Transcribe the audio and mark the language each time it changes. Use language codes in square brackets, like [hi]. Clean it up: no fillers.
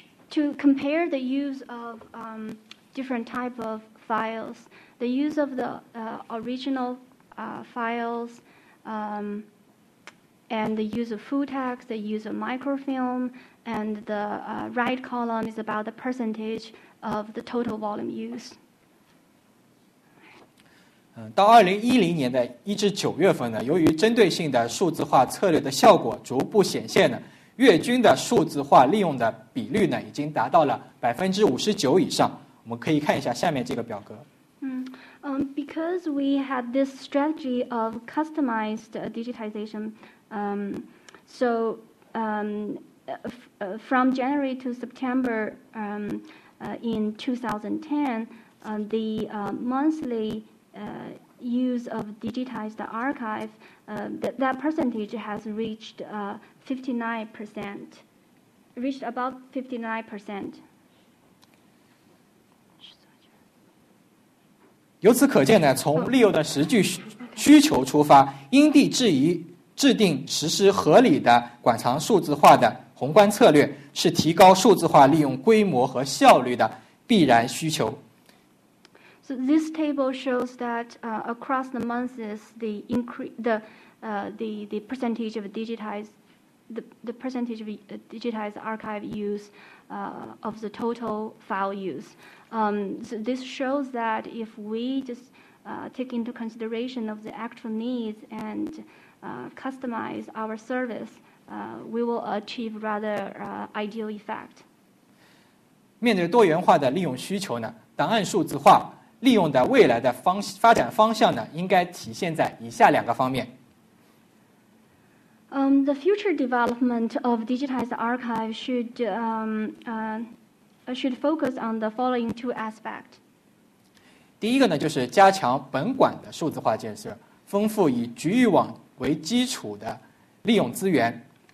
[en] To compare the use of different type of files, the use of the original files, and the use of full text, the use of microfilm, and the right column is about the percentage of the total volume used. [zh] 到2010年的一至九月份呢，由于针对性的数字化策略的效果逐步显现呢，月均的数字化利用的比率呢已经达到了59%以上。我们可以看一下下面这个表格。 [en] Because we had this strategy of customized digitization, from January to September in 2010, the monthly use of digitized archive, that percentage has reached 59%, reached about 59%. [zh] 由此可见呢，从利用的实际需求出发，因地制宜制定实施合理的馆藏数字化的宏观策略，是提高数字化利用规模和效率的必然需求。 [en] So this table shows that across the months, the percentage of digitized archive use of the total file use. So this shows that if we just take into consideration of the actual needs and customize our service, we will achieve rather ideal effect. [zh] 面对多元化的利用需求呢，档案数字化。利用的未来的发展方向呢，应该体现在以下两个方面。 [en] The future development of digitized archive should focus on the following two aspects. [zh] 第一个呢，就是加强本馆的数字化建设，丰富以局域网为基础的利用资源。